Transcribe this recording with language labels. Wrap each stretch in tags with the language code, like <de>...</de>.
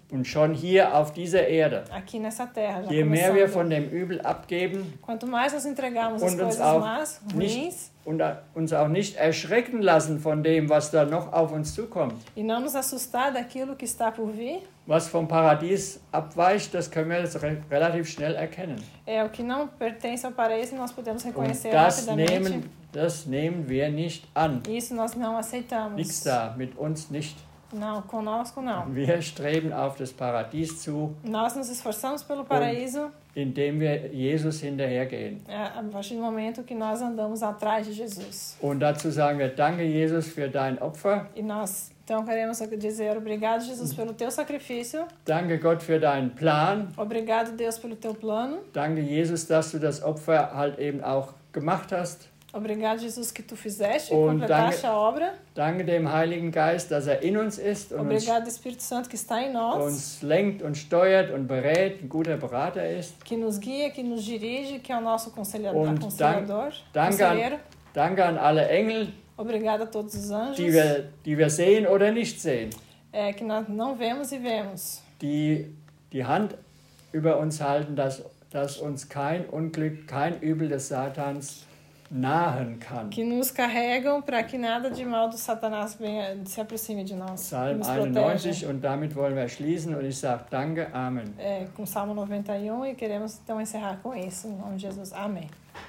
<de>Und schon hier auf dieser Erde.</de> <pt>Aqui nessa terra,</pt> <de>je mehr wir von dem Übel abgeben.</de> <pt>Quanto mais nós entregamos as coisas más, ruins.</pt> <de>Und uns auch nicht erschrecken lassen von dem, was da noch auf uns zukommt.</de> <pt>E não nos assustar daquilo que está por vir.</pt> <de>Was vom Paradies abweicht, das können wir jetzt relativ schnell erkennen.</de> <pt>O que não pertence ao paraíso, nós podemos reconhecer rapidamente.</pt> <de>Das nehmen wir nicht an.</de> <pt>Isso nós não aceitamos.</pt> <de>Nix da, mit uns nicht.</de> <pt>Não, conosco não.</pt> <de>Wir streben auf das Paradies zu.</de> <pt>Nós nos esforçamos pelo paraíso.</pt> <de>Indem wir Jesus hinterhergehen.</de> <pt>A partir do momento que nós andamos atrás de Jesus.</pt> <de>Und dazu sagen wir danke Jesus für dein Opfer.</de> <pt>E nós então queremos dizer obrigado Jesus pelo teu sacrifício.</pt> <de>Danke Gott für deinen Plan.</de> <pt>Obrigado Deus pelo teu plano.</pt> <de>Danke Jesus, dass du das Opfer halt eben auch gemacht hast.</de> <pt>Obrigado, Jesus, que tu fizeste e completaste a obra.</pt> <de>Danke dem Heiligen Geist, dass er in uns ist und</de> <pt>obrigado, Espírito Santo, que está em nós.</pt> <de>Uns lenkt und steuert und berät, ein guter Berater ist.</de> <pt>Que nos guia, que nos dirige, que é o nosso conselheiro.</pt> <de>Danke, Danke an alle Engel.</de> <pt>Obrigada a todos os anjos.</pt> <de>Die wir sehen oder nicht sehen.</de> <pt>É, que nós não vemos e vemos.</pt> <de>Die Hand über uns halten, dass uns kein Unglück, kein Übel des Satans nahen kann.</de> <pt>Que nos carregam para que nada de mal do Satanás venha se aproxime de nós.</pt> <de>Salmo 91 und damit wollen wir schließen und ich sage danke, Amen.</de> <pt>É, com Salmo 91 e queremos então encerrar com isso, em nome de Jesus. Amém.</pt>